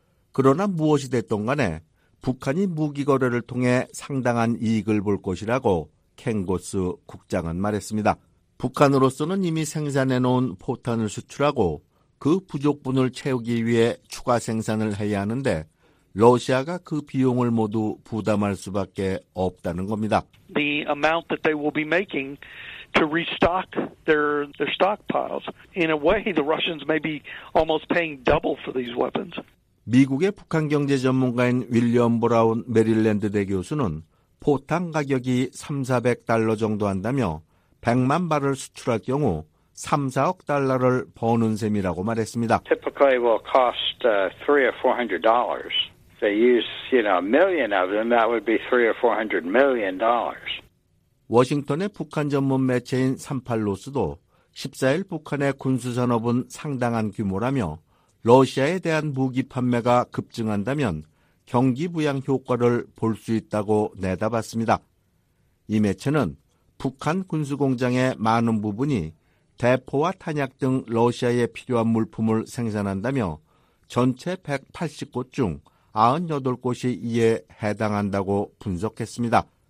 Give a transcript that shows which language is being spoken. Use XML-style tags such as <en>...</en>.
<ko>그러나 무엇이 됐든 간에 북한이 무기 거래를 통해 상당한 이익을 볼 것이라고 켄고스 국장은 말했습니다. 북한으로서는 이미 생산해놓은 포탄을 수출하고 그 부족분을 채우기 위해 추가 생산을 해야 하는데 러시아가 그 비용을 모두 부담할 수밖에 없다는 겁니다.</ko> <en>The amount that they will be making to restock their stockpiles. In a way, the Russians may be almost paying double for these weapons.</en> <ko>미국의 북한 경제 전문가인 윌리엄 브라운 메릴랜드 대 교수는 포탄 가격이 $300-400 정도 한다며 100만 발을 수출할 경우 3-4억 달러를 버는 셈이라고 말했습니다.</ko> <en>Typically will cost $300-400. They use, you know, a million of them, that would be $300-400 million.</en> <ko>워싱턴의 북한 전문 매체인 38로스도 14일 북한의 군수산업은 상당한 규모라며 러시아에 대한 무기 판매가 급증한다면 경기 부양 효과를 볼 수 있다고 내다봤습니다. 이 매체는 북한 군수공장의 많은 부분이 대포와 탄약 등 러시아에 필요한 물품을 생산한다며 전체 180곳 중 98곳이 이에 해당한다고 분석했습니다.</ko>